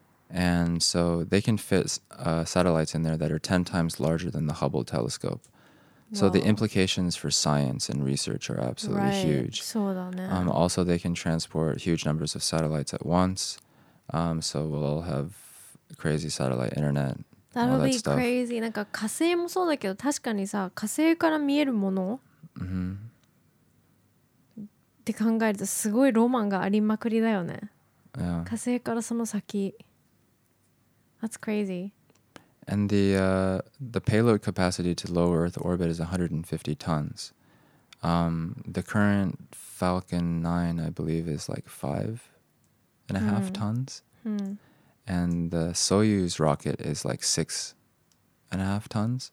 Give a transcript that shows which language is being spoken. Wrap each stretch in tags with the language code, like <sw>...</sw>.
<en>And so they can fit satellites in there that are 10 times larger than the Hubble telescope. Wow. So the implications for science and research are absolutely right. huge.</en> <ja>そうだね。</ja> <en>Also they can transport huge numbers of satellites at once. So we'll all have crazy satellite internet. That would be crazy.</en> <ja>なんか火星もそうだけど、確かにさ、火星から見えるもの、 mm-hmm. って考えるとすごいロマンがありまくりだよね。</ja> <en>Yeah.</en> <ja>火星からその先。</ja> <en>That's crazy. And the payload capacity to low Earth orbit is 150 tons. The current Falcon 9, I believe, is like 5.5 tons. And the Soyuz rocket is like 6.5 tons.</en>